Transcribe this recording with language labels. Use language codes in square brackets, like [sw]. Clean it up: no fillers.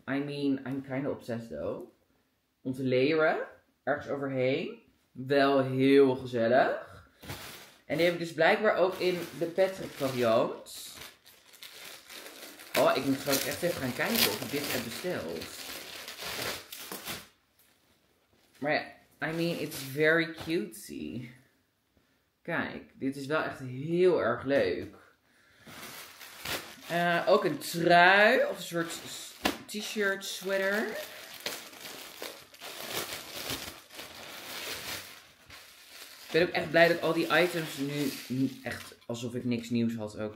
[en] I mean, I'm kind of obsessed though. [nl] Om te leren. Ergens overheen. Wel heel gezellig. En die heb ik dus blijkbaar ook in de Patrick variant. Oh, ik moet gewoon echt even gaan kijken of ik dit heb besteld. Maar ja, [en] I mean, it's very cutesy. [nl] Kijk, dit is wel echt heel erg leuk. Ook een trui of een soort t-shirt, sweater. Ik ben ook echt blij dat al die items nu echt alsof ik niks nieuws had ook.